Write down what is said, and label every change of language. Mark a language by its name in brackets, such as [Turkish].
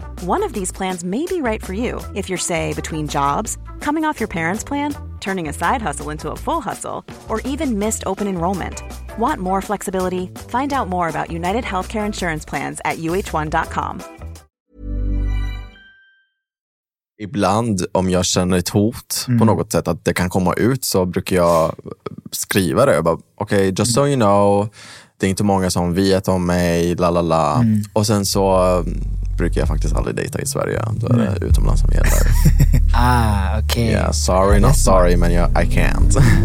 [English] One of these plans may be right for you if you're, say, between jobs, coming off your parents' plan, turning a side hustle into a full hustle, or even missed open enrollment. Want more flexibility? Find out more about United Healthcare Insurance Plans at uh1.com. [Swedish] Ibland, om jag känner ett hot på något sätt, att det kan komma ut, så brukar jag skriva det. Okej, [English] okay, just so you know, [Swedish] det är inte många som vet om mig, lalala. Mm. Och sen så brukar jag faktiskt aldrig dejta i Sverige. Då är det utomlands som gäller. Ah, okej. [English] Okay. Yeah, sorry, not sorry, [Swedish] men [English] I can't.